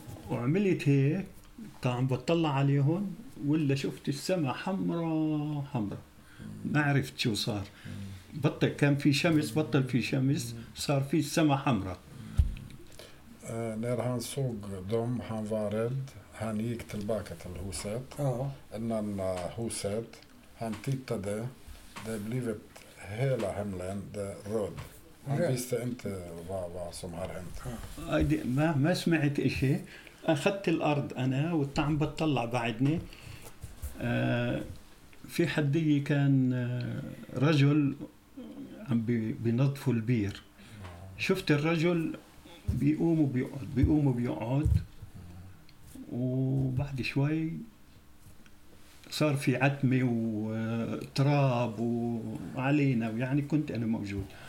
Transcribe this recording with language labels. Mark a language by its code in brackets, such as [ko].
[ar] وعملت هيك طعم بطلع عليهم ولا شفت السماء حمرا حمرا ما عرفت شو صار بطل كان في شمس بطل في شمس صار في السماء حمرا [sv] när han såg dem han var rädd han gick tillbaka till huset innan huset han tittade det blivit hela himlen det röd han visste inte vad som har hänt [ar] ما سمعت شيء اخذت الارض انا والطعم بتطلع بعدني في حدي كان رجل عم بينظفوا البير شفت الرجل بيقوم وبيقعد بيقوم وبيقعد وبعد شوي صار في عتمة وتراب وعلينا ويعني كنت أنا موجود